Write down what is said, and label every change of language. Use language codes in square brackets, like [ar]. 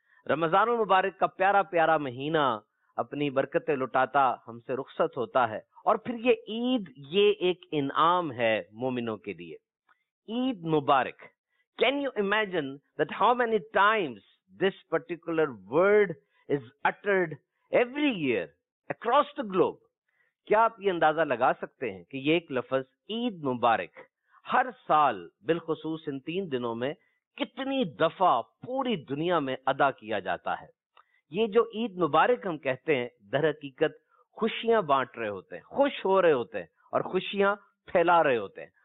[ur] رمضان المبارک کا پیارا پیارا مہینہ اپنی برکتیں لٹاتا ہم سے رخصت ہوتا ہے، اور پھر یہ عید، یہ ایک انعام ہے مومنوں کے لیے. عید مبارک. [en] Can you imagine that how many times this particular word is uttered every year across the globe? [ur] کیا آپ یہ اندازہ لگا سکتے ہیں کہ یہ ایک لفظ عید مبارک ہر سال بالخصوص ان تین دنوں میں کتنی دفعہ پوری دنیا میں ادا کیا جاتا ہے؟ یہ جو عید مبارک ہم کہتے ہیں، درحقیقت خوشیاں بانٹ رہے ہوتے ہیں، خوش ہو رہے ہوتے ہیں اور خوشیاں پھیلا رہے ہوتے ہیں.